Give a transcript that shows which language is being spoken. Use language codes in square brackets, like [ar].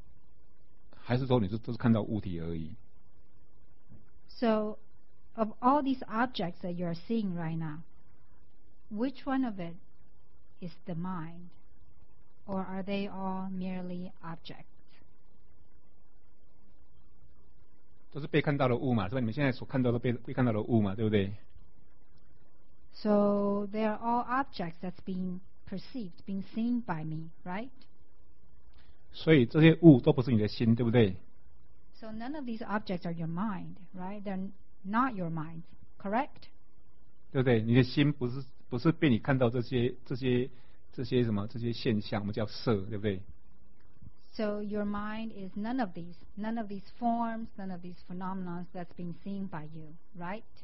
[zh] 好，那你现在所看到的东西有哪一个是心，还是说你是都是看到物体而已？ [en] So of all these objects that you are seeing right now, which one of it is the mind, or are they all merely objects? [zh] 都是被看到的物嘛，是吧？你们现在所看到的被看到的物嘛，对不对？ [en] So they are all objects that's being perceived, being seen by me, right? [zh] 所以这些物都不是你的心，对不对？ [en] So none of these objects are your mind, right? They're not your mind, correct? [zh] 对不对？你的心不是被你看到这些。这些什么这些现象，我们叫色，对不对？ [en] So your mind is none of these forms, none of these phenomena that's being seen by you, right?